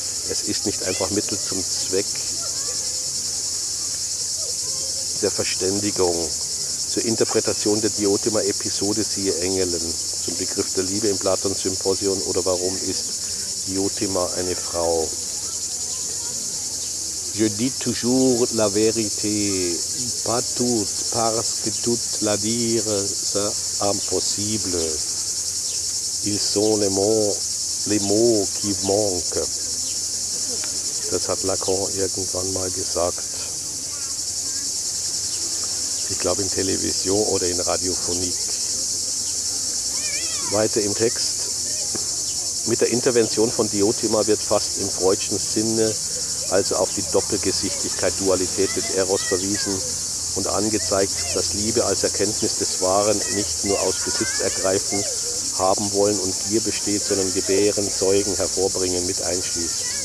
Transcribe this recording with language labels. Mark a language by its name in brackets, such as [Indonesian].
[German] Es ist nicht einfach Mittel zum Zweck der Verständigung. Zur Interpretation der Diotima-Episode siehe Engelen, zum Begriff der Liebe im Platon-Symposion oder warum ist Diotima eine Frau. [French] Je dis toujours la vérité, pas tout, parce que tout la dire, c'est impossible. Ils sont les mots qui manquent. [German] Das hat Lacan irgendwann mal gesagt. Ich glaube in Television oder in Radiophonik. Weiter im Text. Mit der Intervention von Diotima wird fast im freudschen Sinne also auf die Doppelgesichtigkeit, Dualität des Eros verwiesen und angezeigt, dass Liebe als Erkenntnis des Wahren nicht nur aus Besitz ergreifen, haben wollen und Gier besteht, sondern Gebären, Zeugen, Hervorbringen mit einschließt.